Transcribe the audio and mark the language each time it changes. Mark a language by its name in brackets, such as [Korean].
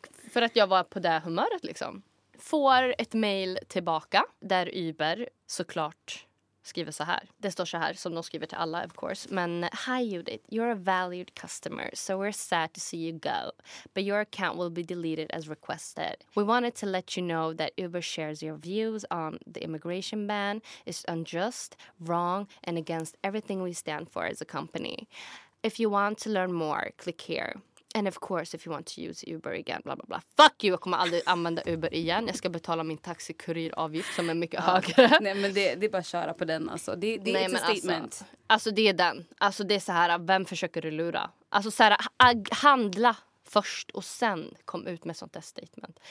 [Swedish] För att jag var på det humöret liksom. Får ett mail tillbaka där Uber såklart... skriver så här. Det står så här, som de skriver till alla, [English] of course. Men, hi Judith, you're a valued customer, so we're sad to see you go. But your account will be deleted as requested. We wanted to let you know that Uber shares your views on the immigration ban. It's unjust, wrong, and against everything we stand for as a company. If you want to learn more, click here. And of course, if you want to use Uber again, blah, blah, blah. Fuck you, [Swedish] jag kommer aldrig använda Uber igen. Jag ska betala min taxikurieravgift som är mycket högre. Nej, men det är bara att köra på den alltså. Det är ett statement. Alltså, det är den. Alltså, det är så här, vem försöker du lura? Alltså, så här, handla först och sen kom ut med sånt där statement.